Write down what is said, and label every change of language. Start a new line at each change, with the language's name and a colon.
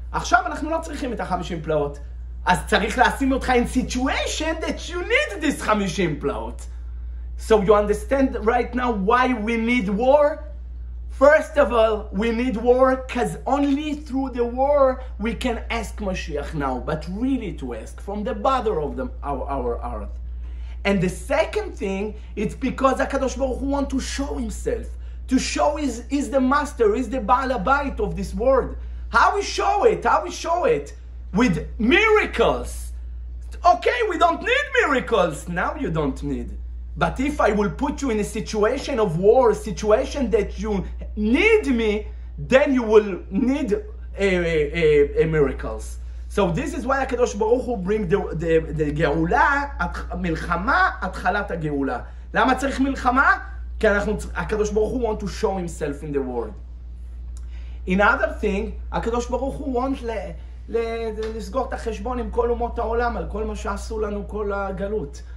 Hebrew: עכשיו אנחנו לא צריכים את ה-50 פלאות. אז צריך לשים אותך
English: in situation that you need this 50 פלאות. So you understand right now why we need war? First of all, we need war because only through the war we can ask Mashiach now, but really to ask from the bother of them, our earth. And the second thing, it's because HaKadosh Baruch Hu want to show himself. To show is the master, is the Baal HaBayit of this world. How we show it? How we show it? With miracles. Okay, we don't need miracles. Now you don't need. But if I will put you in a situation of war, a situation that you need me, then you will need a miracles. So this is why HaKadosh Baruch Hu bring the Geula, Milchama, Atchalat HaGeula.
Hebrew: Lama צריך מלחמה? כי אנחנו, הקדוש ברוך הוא
English: want to show himself in the world.
Hebrew: Another thing, הקדוש ברוך הוא
English: want
Hebrew: לסגור את החשבון עם כל אומות העולם, על כל מה שעשו לנו כל הגלות.